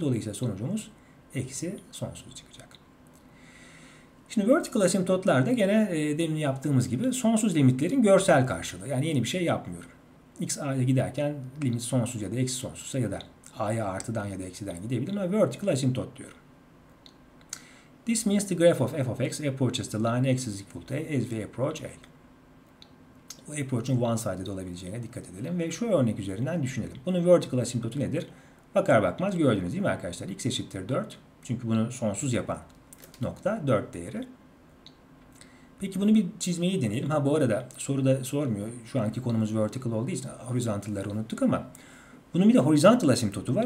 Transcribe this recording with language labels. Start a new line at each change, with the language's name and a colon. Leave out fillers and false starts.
Turkish: Dolayısıyla sonucumuz eksi sonsuz çıkacak. Şimdi vertical asimptotlarda gene demin yaptığımız gibi sonsuz limitlerin görsel karşılığı. Yani yeni bir şey yapmıyorum. X a'ya giderken limit sonsuz ya da eksi sonsuzsa ya da a'ya artıdan ya da eksiden gidebilir ama vertical asimptot diyorum.
English: This means the graph of f of x approaches the line x is equal to a as we approach a.
Turkish: Bu approach'un one-sided olabileceğine dikkat edelim ve şu örnek üzerinden düşünelim. Bunun vertical asimptotu nedir? Bakar bakmaz gördünüz değil mi arkadaşlar? X eşittir 4. Çünkü bunu sonsuz yapan nokta 4 değeri. Peki bunu bir çizmeyi deneyelim. Ha bu arada soru da sormuyor. Şu anki konumuz vertical olduğu için horizontalları unuttuk ama bunun bir de horizontal asimptotu var.